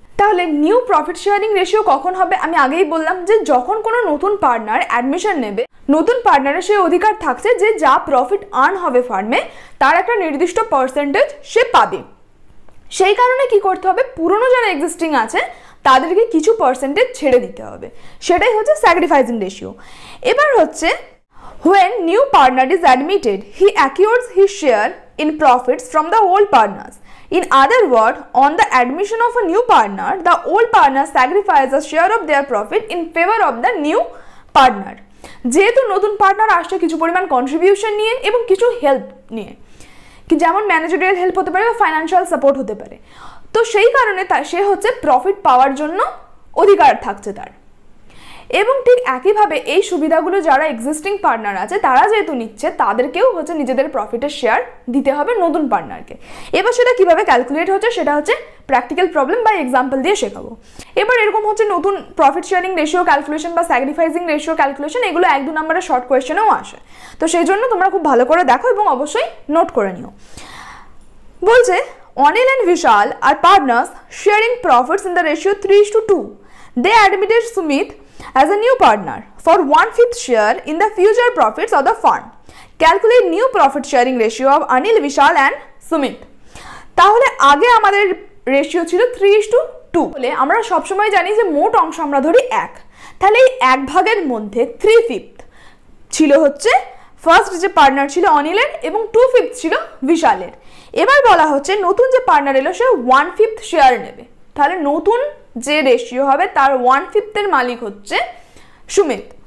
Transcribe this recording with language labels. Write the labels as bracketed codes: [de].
[bn] তাহলে new profit sharing ratio কখন হবে, আমি আগেই বললাম যে যখন কোনো নতুন পার্টনার অ্যাডমিশন নেবে নতুন পার্টনারের সেই অধিকার থাকছে যে যা প্রফিট আর্ন হবে ফার্মে তার একটা নির্দিষ্ট পার্সেন্টেজ সে পাবে। সেই কারণে কী করতে হবে, পুরনো যারা এক্সিস্টিং আছে তাদেরকে কিছু পার্সেন্টেজ ছেড়ে দিতে হবে, সেটাই হচ্ছে স্যাক্রিফাইসিং রেশিও। [en] এবার হচ্ছে when new partner is admitted he acquires he share in profits from the old partners. In other words, on the admission of a new partner, the old partner sacrifices a share of their profit in favor of the new partner. [bn] যেহেতু নতুন partner আসছে কিছু পরিমাণ contribution নিয়ে এবং কিছু help নিয়ে, কি যেমন ম্যানেজারিয়াল হেল্প হতে পারে বা ফাইন্যান্সিয়াল সাপোর্ট হতে পারে, তো সেই কারণে তার সে হচ্ছে প্রফিট পাওয়ার জন্য অধিকার থাকছে তার। এবং ঠিক একইভাবে এই সুবিধাগুলো যারা এক্সিস্টিং পার্টনার আছে তারা যেহেতু নিচ্ছে তাদেরকেও হচ্ছে নিজেদের প্রফিটের শেয়ার দিতে হবে নতুন পার্টনারকে। এবার সেটা কীভাবে ক্যালকুলেট হচ্ছে সেটা হচ্ছে প্র্যাকটিক্যাল প্রবলেম বা এক্সাম্পল দিয়ে শেখাবো। এবার এরকম হচ্ছে নতুন প্রফিট শেয়ারিং রেশিও ক্যালকুলেশন বা স্যাক্রিফাইসিং রেশিও ক্যালকুলেশন, এগুলো এক দু নম্বরের শর্ট কোয়েশ্চেনেও আসে, তো সেই জন্য তোমরা খুব ভালো করে দেখো এবং অবশ্যই নোট করে নিও। [en] বলছে অনিল অ্যান্ড বিশাল আর partners sharing profits in the ratio 3:2। They admitted Sumit as a new partner for 1/5 share in the future profits of the fund. Calculate new profit sharing ratio of Anil, Vishal and Sumit. [bn] তাহলে আগে আমাদের ratio ছিল 3:2, বলে আমরা সবসময় জানি যে মোট অংশ আমরা ধরি 1, তাহলে এই এক ভাগের মধ্যে 3/5 ছিল হচ্ছে ফার্স্ট যে পার্টনার ছিল অনিলের এবং 2/5 ছিল বিশালের। এবার বলা হচ্ছে নতুন যে পার্টনার এলো সে 1/5 শেয়ার নেবে, তাহলে নতুন যে রেশিও হবে তার 1/5 মালিক হচ্ছে সুমিত।